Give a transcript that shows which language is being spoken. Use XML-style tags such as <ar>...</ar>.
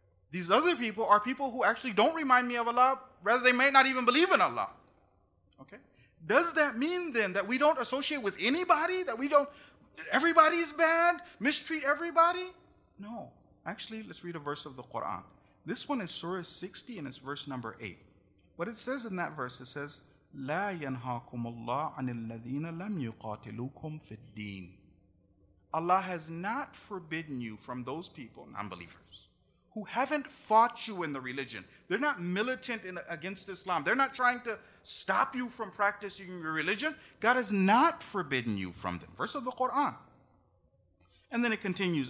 <en>These other people are people who actually don't remind me of Allah. Rather, they may not even believe in Allah. Okay? Does that mean then that we don't associate with anybody? That we don't, everybody's bad? Mistreat everybody? No. Actually, let's read a verse of the Quran. This one is Surah 60 and it's verse number 8. What it says in that verse, it says,</en> <ar>لَا يَنْهَاكُمُ اللَّهُ عَنِ الَّذِينَ لَمْ يُقَاتِلُوكُمْ فِي الدِّينِ.</ar> <en>Allah has not forbidden you from those people, non-believers, who haven't fought you in the religion. They're not militant against Islam. They're not trying to stop you from practicing your religion. God has not forbidden you from them. Verse of the Quran. And then it continues.</en>